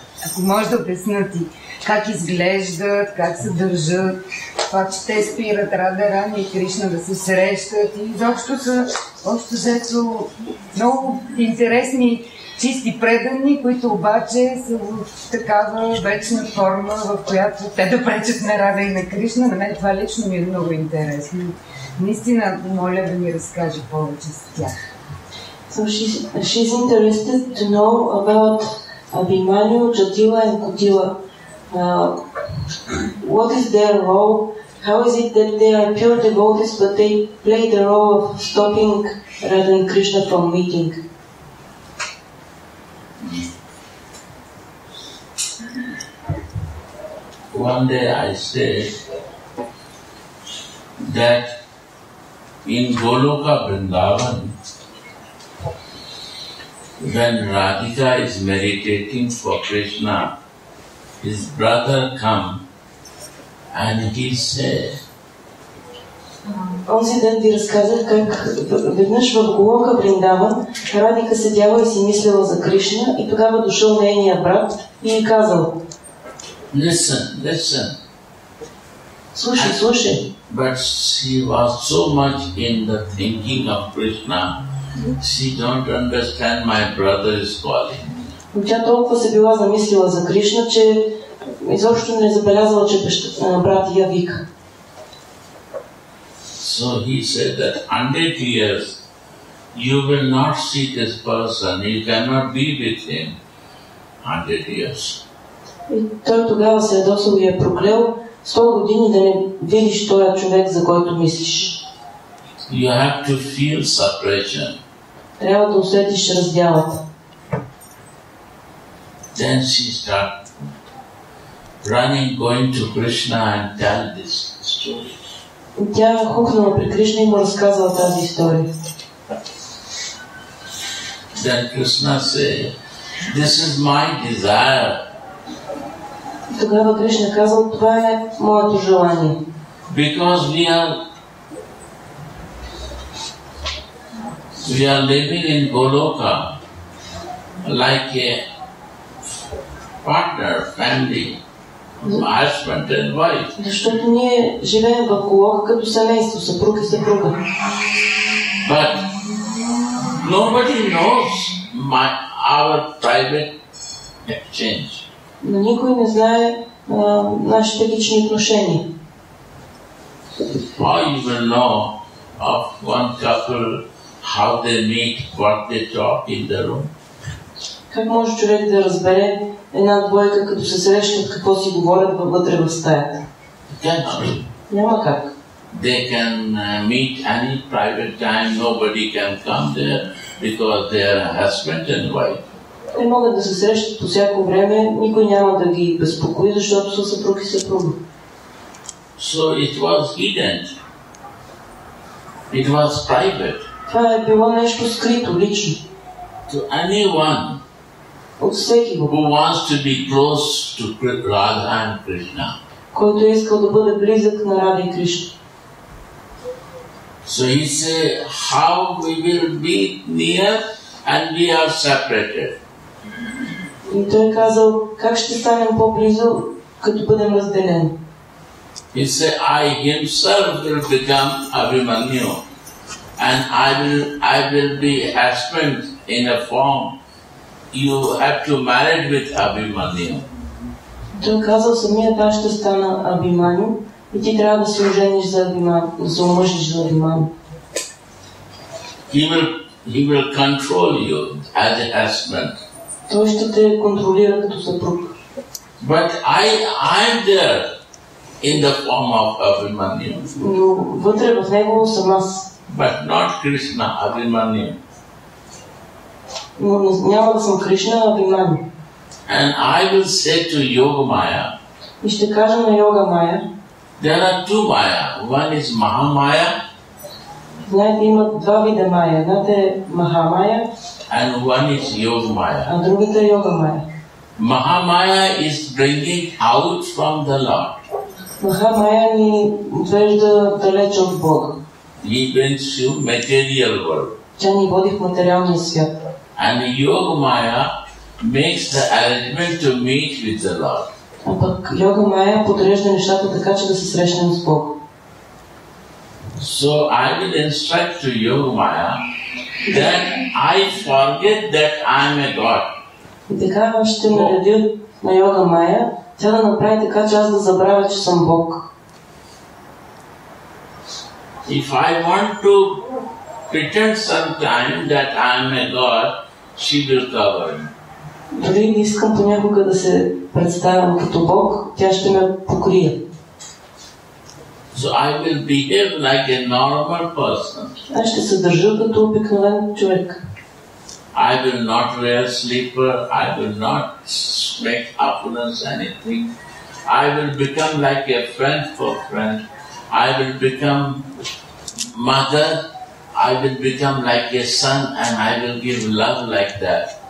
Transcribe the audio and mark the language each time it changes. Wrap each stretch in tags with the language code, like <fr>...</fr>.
<bg>Ако може да обяснят и как изглеждат, как се държат, това, че те спират Радарани и Кришна да се срещат и изобщо са, общо взето, много интересни, чисти предани, които обаче са в такава вечна форма, в която те да пречат на Рада и на Кришна. На мен това лично ми е много интересно. Наистина, моля да ми разкажи повече с тях.</bg> <en>So she's interested to know about Abhimanyu, Jatila and Kutila. What is their role? How is it that they are pure devotees but they play the role of stopping Radha and Krishna from meeting? One day I said that in Goloka Vrindavan, when Radhika is meditating for Krishna, his brother come and he said.</en> <bg>Онзи ден ти разказах как веднъж в Голока Вриндаван Радика седяла и си мислила за Кришна и тогава дошъл нейния брат и ѝ казал.</bg> <en>Listen.</en> <bg>Слушай.</bg> <en>But she was so much in the thinking of Krishna. She don't understand my brother is calling.</en> <bg>Тя толкова се била замислила за Кришна, че изобщо не забелязала, че брат я вика.</bg> <en>So he said that 100 years you will not see this person, you cannot be with him 100 years.</en> <bg>И той тогава се ядосал и е проклел 100 години да не видиш този човек, за който мислиш.</bg> <en>You have to feel separation.</en> <bg>Трябва да усетиш разделата.</bg> <en>Then she start running, going to Krishna and tell this story.</en> <bg>Тя хукнала при Кришна и му разказала тази история.</bg> <en>Then Krishna said, this is my desire.</en> <bg>Тогава Кришна казал, това е моето желание.</bg> <en>Because we are living in Goloka like a partner, family, husband and wife.</en> <bg>Защото ние живеем в Голока като семейство, съпруг и съпруга.</bg> <en>But nobody knows our private exchange.</en> <bg>Но никой не знае нашите лични отношения.</bg> <en>How you will know of one couple how they meet, what they talk in the room?</en> <bg>Как може човек да разбере една двойка, като се срещат, какво си говорят вътре в стаята? Няма как.</bg> <en>They can meet any private time, nobody can come there because they are husband and wife.</en> <bg>Те могат да се срещат по всяко време, никой няма да ги безпокои, защото са съпруг и съпруга.</bg> <en>So it was hidden. It was private.</en> <bg>Това е било нещо скрито, лично.</bg> <en>To anyone who wants to be close to Radha and Krishna.</en> <bg>Който е искал да бъде близък на Радха и Кришна.</bg> <en>So he say, how we will be near and we are separated.</en> <bg>И той казал, как ще станем по-близо, като бъдем разделени.</bg> <en>He said, I himself will become Abhimanyu, and I will be husband in a form. You have to marry with Abhimanyu.</en> <bg>Той казал, самият аз ще стана Абиманю и ти трябва да се ожениш за Абиманю, за омъжиш за Абиманю.</bg> <en>He will control you as a husband.</en> <bg>Той ще те контролира като съпруг.</bg> <en>But I am there in the form of Abhimanyu.</en> <bg>Но вътре в него съм аз.</bg> <en>But not Krishna, Abhimanyu.</en> <bg>Но няма да съм Кришна, Абиманю.</bg> <en>And I will say to Yoga Maya.</en> <bg>И ще кажа на Йога Майя.</bg> <en>There are two Maya. One is Mahamaya.</en> <bg>Знаете, има два вида Майя. Едната е Mahamaya.</bg> <en>And one is Yoga Maya.</en> <bg>А другата е Йога Майя.</bg> <en>Mahamaya is bringing out from the Lord.</en> <bg>Mahamaya ни отвежда далеч от Бога.</bg> <en>He brings you material world.</en> <bg>Тя ни води в материалния свят.</bg> <en>And Yoga Maya makes the arrangement to meet with the Lord.</en> <bg>А пък Йога Майя подрежда нещата така, че да се срещнем с Бог.</bg> <en>So I will instruct to Yoga Maya that I forget that I am a God.</en> <bg>И така ще нареди на Йога Майя, тя да направи така, че аз да забравя, че съм Бог.</bg> <en>If I want to pretend sometime that I am a God, she will cover me.</en> <bg>Дори не искам понякога да се представям като Бог, тя ще ме покрие.</bg> <en>So I will behave like a normal person.</en> <bg>Аз ще се държа като обикновен човек.</bg> <en>I will not wear slipper, I will not make opulence anything. I will become like a friend for friend. I will become mother, I will become like a son and I will give love like that.</en>